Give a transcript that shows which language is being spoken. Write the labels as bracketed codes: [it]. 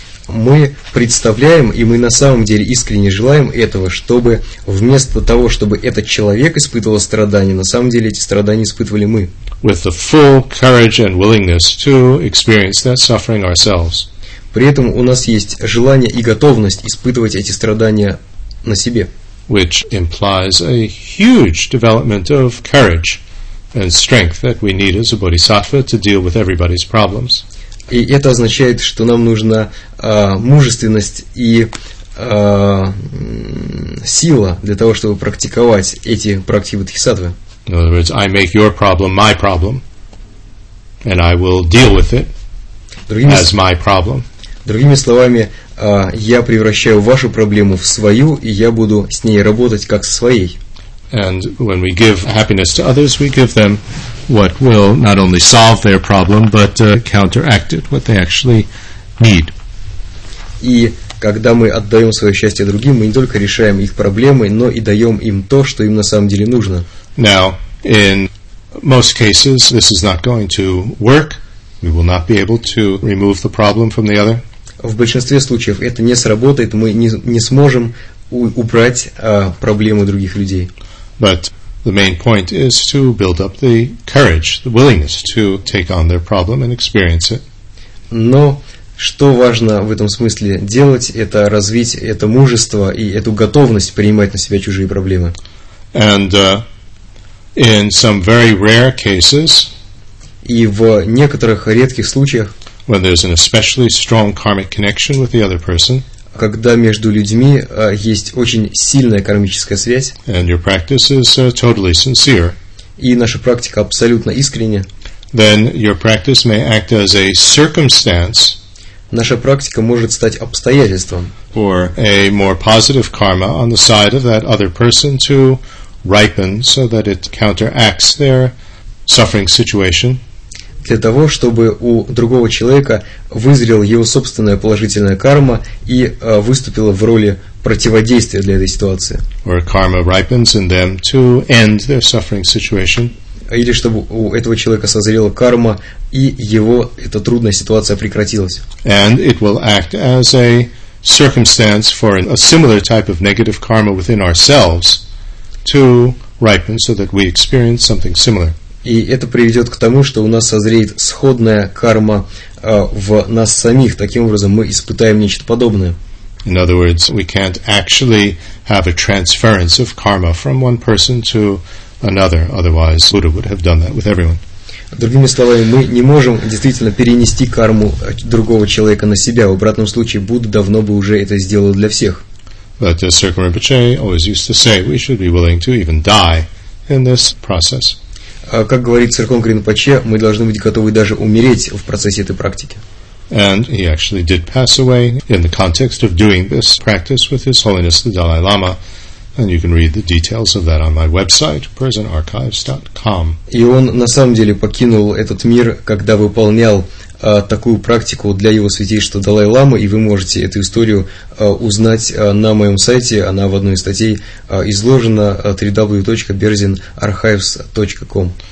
[ru] Мы представляем, и мы на самом деле искренне желаем этого, чтобы вместо того, чтобы этот человек испытывал страдания, на самом деле эти страдания испытывали мы. [en] With the full courage and willingness to experience that suffering ourselves. [ru] При этом у нас есть желание и готовность испытывать эти страдания на себе. [en] Which implies a huge development of courage and strength that we need as a bodhisattva to deal with everybody's problems. [ru] И это означает, что нам нужна мужественность и сила для того, чтобы практиковать эти практики бодхисаттвы. [en] In other words, I make your problem my problem, and I will deal with it as my problem. [ru] Другими словами, я превращаю вашу проблему в свою, и я буду с ней работать как со своей. [en] And when we give happiness to others, we give them what will not only solve their problem, but counteract it, what they actually need. [ru] И когда мы отдаем свое счастье другим, мы не только решаем их проблемы, но и даем им то, что им на самом деле нужно. [en] Now, in most cases, this is not going to work. We will not be able to remove the problem from the other. [ru] В большинстве случаев это не сработает, мы не сможем убрать проблемы других людей. [en] But the main point is to build up the courage, the willingness to take on their problem and experience it. [ru] Но что важно в этом смысле делать, это развить это мужество и эту готовность принимать на себя чужие проблемы. [en] And in some very rare cases, [ru] и в некоторых редких случаях, [en] when there's an especially strong karmic connection with the other person, [ru] когда между людьми есть очень сильная кармическая связь, [en] and your practice is totally sincere, [ru] и наша практика абсолютно искренняя, [en] then your practice may act as a circumstance. [ru] Наша практика может стать обстоятельством. [en] For a more positive karma on the side of that other person to ripen so that it counteracts their suffering situation. [ru] Для того, чтобы у другого человека вызрела его собственная положительная карма и выступила в роли противодействия для этой ситуации. [en] Or karma ripens in them to end their suffering situation. [ru] Или чтобы у этого человека созрела карма, и его эта трудная ситуация прекратилась. [en] And it will act as a circumstance for a similar type of negative karma within ourselves to ripen so that we experience something similar. [ru] И это приведет к тому, что у нас созреет сходная карма в нас самих. Таким образом, мы испытаем нечто подобное. [en] In other words, we can't actually have a transference of karma from one person to another, otherwise Buddha would have done that with everyone. [ru] Другими словами, мы не можем действительно перенести карму другого человека на себя. В обратном случае, Будда давно бы уже это сделал для всех. [en] But as Sir Rinpoche always used to say, we should be willing to even die in this process. [ru] Как говорит Сэр Конг Ринпоче, мы должны быть готовы даже умереть в процессе этой практики. [en] And he actually did pass away in the context of doing this practice with His Holiness the Dalai Lama. And you can read the details of that on my website, prisonarchives.com. [ru] И он на самом деле покинул этот мир, когда выполнял такую практику для его святейшества Далай-ламы, и вы можете эту историю узнать на моем сайте, она в одной из статей изложена, www.prisonarchives.com.